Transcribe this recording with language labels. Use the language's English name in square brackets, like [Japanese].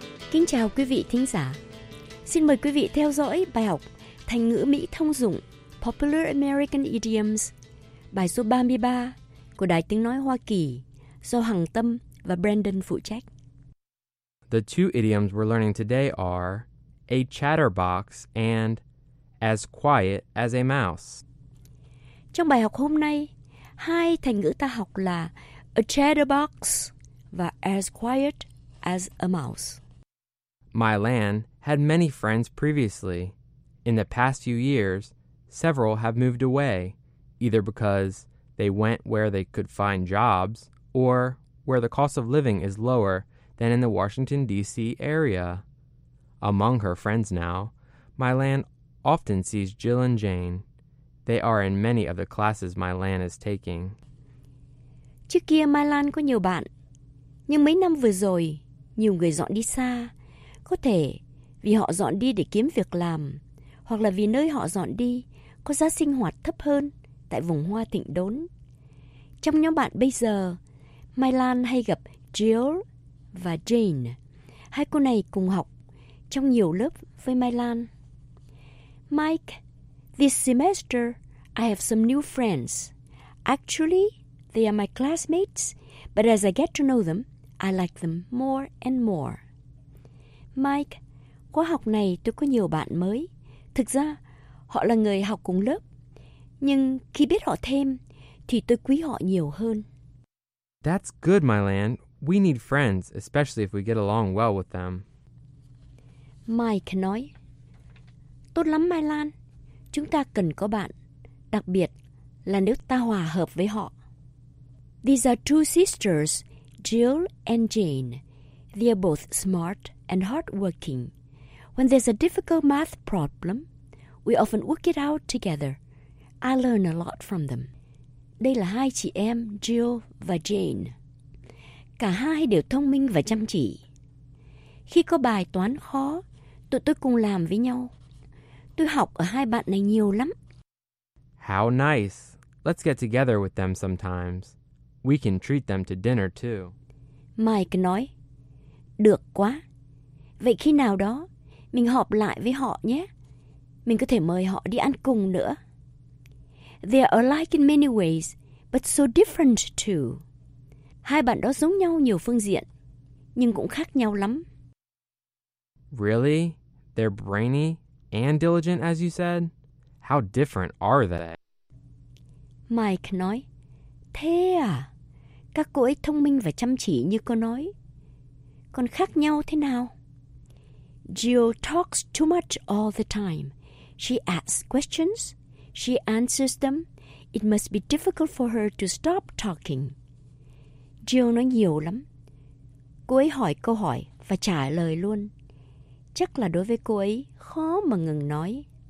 [Vietnamese] Kính chào quý vị thính giả. Xin mời quý vị theo dõi bài học thành ngữ Mỹ thông dụng [English] Popular American Idioms, [Vietnamese] bài số 33 của Đài Tiếng Nói Hoa Kỳ do Hằng Tâm và Brandon phụ trách. [English] The two idioms we're learning today are a chatterbox and as quiet as a mouse. [Vietnamese] Trong bài học hôm nay, hai thành ngữ ta học là a chatterbox và [English] as quiet as a mouse. My Lan had many friends previously. In the past few years, several have moved away, either because they went where they could find jobs or where the cost of living is lower than in the Washington, D.C. area. Among her friends now, My Lan often sees Jill and Jane. They are in many of the classes My Lan is taking. [Vietnamese] Trước kia My Lan có nhiều bạn, nhưng mấy năm vừa rồi, nhiều người dọn đi xa. Có thể vì họ dọn đi để kiếm việc làm, hoặc là vì nơi họ dọn đi có giá sinh hoạt thấp hơn tại vùng hoa thịnh đốn. Trong nhóm bạn bây giờ, Mai Lan hay gặp Jill và Jane. Hai cô này cùng học trong nhiều lớp với Mai Lan. [English] Mike, this semester I have some new friends. Actually, they are my classmates, but as I get to know them, I like them more and more. [Vietnamese] Mike, khóa học này tôi có nhiều bạn mới. Thực ra, họ là người học cùng lớp. Nhưng khi biết họ thêm, thì tôi quý họ nhiều hơn. [English] That's good, My Lan. We need friends, especially if we get along well with them. [Vietnamese] Mike nói, tốt lắm, My Lan. Chúng ta cần có bạn, đặc biệt là nếu ta hòa hợp với họ. [English] These are two sisters, Jill and Jane. They are both smart and hardworking. When there's a difficult math problem, we often work it out together. I learn a lot from them. [Vietnamese] Đây là hai chị em Jill và Jane. Cả hai đều thông minh và chăm chỉ. Khi có bài toán khó, tụi tôi cùng làm với nhau. Tôi học ở hai bạn này nhiều lắm. [English] How nice. Let's get together with them sometimes. We can treat them to dinner too. [Vietnamese] Mike nói, được quá. Vậy khi nào đó, mình họp lại với họ nhé. Mình có thể mời họ đi ăn cùng nữa. [English] They are alike in many ways, but so different too. [Vietnamese] Hai bạn đó giống nhau nhiều phương diện, nhưng cũng khác nhau lắm. [English] Really? They're brainy and diligent, as you said? How different are they? [Vietnamese] Mike nói, thế à? Các cô ấy thông minh và chăm chỉ như cô nói. Còn khác nhau thế nào? [English] Jill talks too much all the time. She asks questions. She answers them. It must be difficult for her to stop talking. [Vietnamese] Jill nói nhiều lắm. Cô ấy hỏi câu hỏi và trả lời luôn. Chắc là đối với cô ấy khó mà ngừng nói.